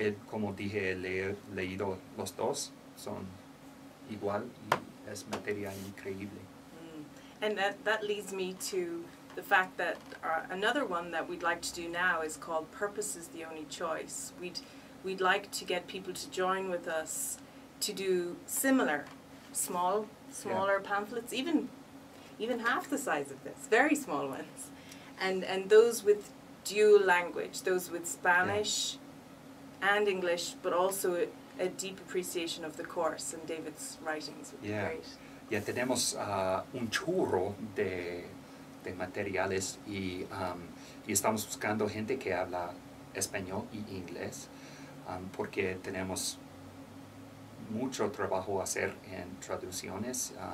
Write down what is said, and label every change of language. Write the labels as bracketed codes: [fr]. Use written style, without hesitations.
[es] Como dije, leído los dos, son igual, y es materia increíble. [en] And that leads me to the fact that another one that we'd like to do now is called Purpose is the Only Choice. We'd like to get people to join with us to do similar, smaller yeah. pamphlets, even half the size of this, very small ones, and those with dual language, those with Spanish yeah. and English, but also a deep appreciation of the course and David's writings would yeah. be great. [es] Yeah, tenemos un churro de materiales, y estamos buscando gente que habla español y inglés, porque tenemos mucho trabajo hacer en traducciones,